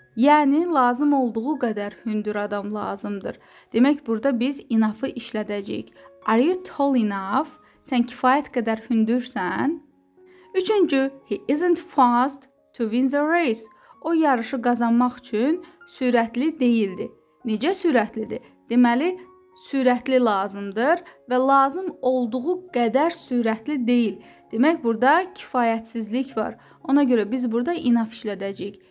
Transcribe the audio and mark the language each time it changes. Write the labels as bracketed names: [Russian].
[Azerbaijani] Yəni, lazım olduğu qədər hündür adam lazımdır. Demək, burada biz enough-ı işlədəcəyik. [English] Are you tall enough? [Azerbaijani] Sən kifayət qədər hündürsən? [English] Üçüncü, he isn't fast to win the race. [Azerbaijani] O yarışı qazanmaq üçün sürətli deyildi. Necə sürətlidir? Deməli, sürətli lazımdır və lazım olduğu qədər sürətli deyil. Demək, burada kifayətsizlik var. Ona görə biz burada enough işlədəcəyik.